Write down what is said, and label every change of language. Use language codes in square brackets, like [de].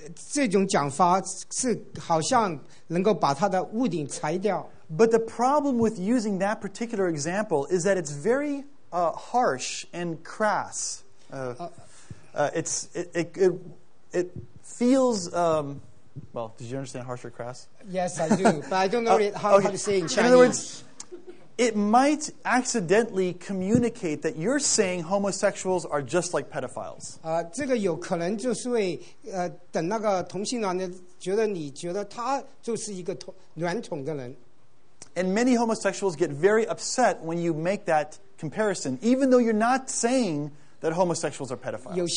[zh] 这种讲法是好像能够把它的屋顶拆掉。 [en] But the problem with using that particular example is that it's very harsh and crass. It feels well. Did you understand harsh or crass? Yes, I do, but I don't know how to say in Chinese. In other words, it might accidentally communicate that you're saying homosexuals are just like pedophiles. [zh] 这个有可能就是会等那个同性恋的觉得他就是一个乱捅的人。 [en] And many homosexuals get very upset when you make that comparison, even though you're not saying that homosexuals are pedophiles.